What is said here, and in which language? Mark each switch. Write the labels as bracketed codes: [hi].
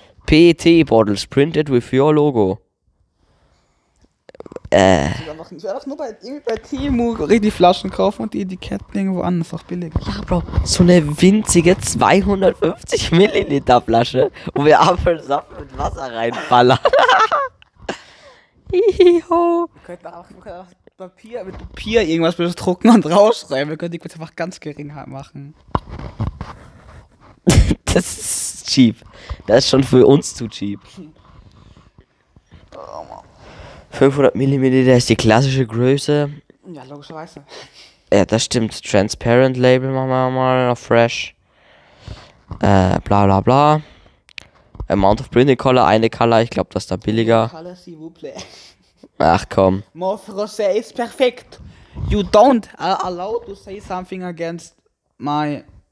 [en] PET Bottles printed with your logo. [de] Ich nur bei Timu die Flaschen kaufen und die Etiketten irgendwo anders, auch billig. Ja, Bro, so eine winzige 250 Milliliter Flasche, wo wir Apfelsaft mit Wasser reinballern. Hihiho. Wir könnten auch Papier, mit Papier irgendwas drucken und rausschreiben. Wir könnten die kurz einfach ganz gering machen. Das ist cheap. Das ist schon für uns zu cheap. 500 Milliliter ist die klassische Größe. Ja, logischerweise. Ja, das stimmt. Transparent Label machen wir mal noch fresh. Bla bla bla. [en] Amount of printed color, [de] eine color. Ich glaube, das ist da billiger. [fr] Color, s'il vous plaît. [de] Ach komm. [en] More rosé is perfect. You don't allow to say something against my.